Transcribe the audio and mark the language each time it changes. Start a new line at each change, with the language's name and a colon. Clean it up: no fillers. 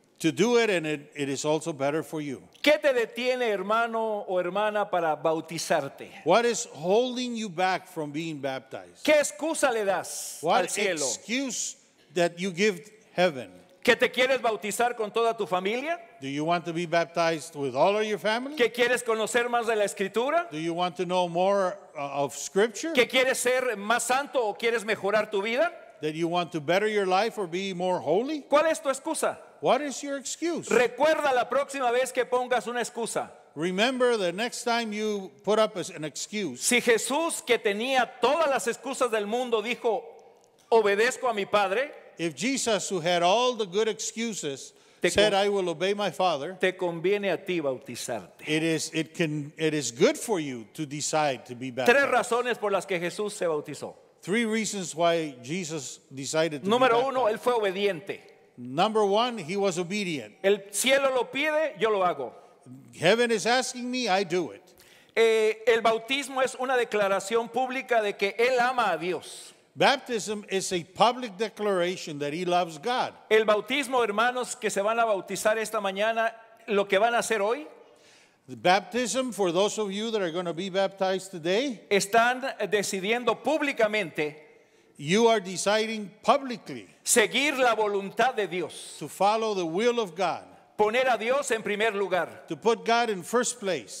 English: to do it, and it is also better for you.
Spanish: ¿Qué te detiene, hermano o hermana, para bautizarte?
English: What is holding you back from being baptized?
Spanish: ¿Qué excusa le das
English: what
Spanish: al cielo?
English: Excuse that you give heaven?
Spanish: ¿Que te quieres bautizar con toda tu familia?
English: Do you want to be baptized with all of your family?
Spanish: ¿Que quieres conocer más de la escritura?
English: Do you want to know more of scripture?
Spanish: ¿Que quieres ser más santo o quieres mejorar tu vida?
English: That you want to better your life or be more holy?
Spanish: ¿Cuál es tu excusa?
English: What is your excuse?
Spanish: Recuerda la próxima vez que pongas una excusa.
English: Remember the next time you put up an excuse.
Spanish: Si Jesús, que tenía todas las excusas del mundo, dijo, obedezco a mi padre,
English: if Jesus, who had all the good excuses, said, I will obey my father,
Spanish: te conviene a ti bautizarte.
English: It is good for you to decide to be baptized.
Spanish: Tres razones por las que Jesús se bautizó.
English: Three reasons why Jesus decided to
Spanish: Número
English: be baptized.
Spanish: Número uno, él fue obediente.
English: Number one, he was obedient.
Spanish: El cielo lo pide, yo lo hago.
English: Heaven is asking me, I do it.
Spanish: El bautismo es una declaración pública de que él ama a Dios.
English: Baptism is a public declaration that he loves God.
Spanish: El bautismo, hermanos, que se van a bautizar esta mañana, lo que van a hacer hoy,
English: the baptism, for those of you that are going to be baptized today,
Spanish: están decidiendo públicamente,
English: you are deciding publicly,
Spanish: seguir la voluntad de Dios,
English: to follow the will of God,
Spanish: poner a Dios en primer lugar,
English: to put God in first place.